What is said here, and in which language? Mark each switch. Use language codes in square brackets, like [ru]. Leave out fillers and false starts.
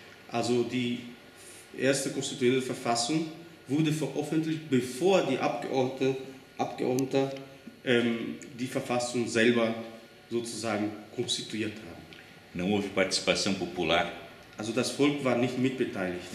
[de] Also die erste konstituierende Verfassung wurde veröffentlicht, bevor die Abgeordneten die Verfassung selber sozusagen konstituiert haben. [pt] Não houve participação popular. [de] Also das Volk war nicht mitbeteiligt.